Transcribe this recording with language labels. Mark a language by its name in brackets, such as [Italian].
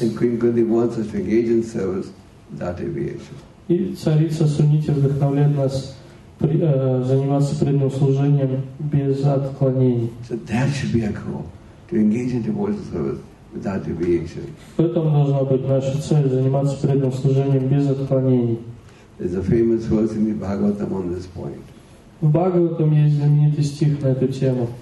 [English] And Queen Kunti wants us to engage in service without deviation. [Russian] И царица Сунити вдохновляет нас заниматься преданным служением без отклонений. [English] So that should be our goal, to engage in devotional service without deviation. [Russian] В этом должна быть наша цель заниматься преданным служением без отклонений. [English] There's a famous verse in the Bhagavatam on this point. [Russian] В Бхагаватам есть знаменитый стих на эту тему.